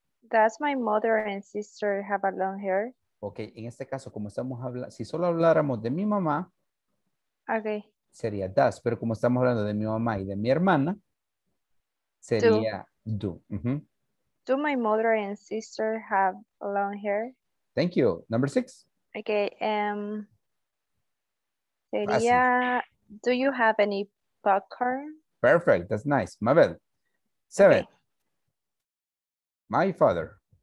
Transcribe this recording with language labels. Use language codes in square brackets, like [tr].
[en] Does my mother and sister have a long hair? [es] Okay, en este caso, como estamos hablando, si solo habláramos de mi mamá, [en] okay. [es] sería das, pero como estamos hablando de mi mamá y de mi hermana, sería do. [en] Do my mother and sister have long hair? Thank you. Number six. Okay. [es] Sería, [en] do you have any popcorn? Perfect. That's nice. Mabel. Seven. Okay. My father.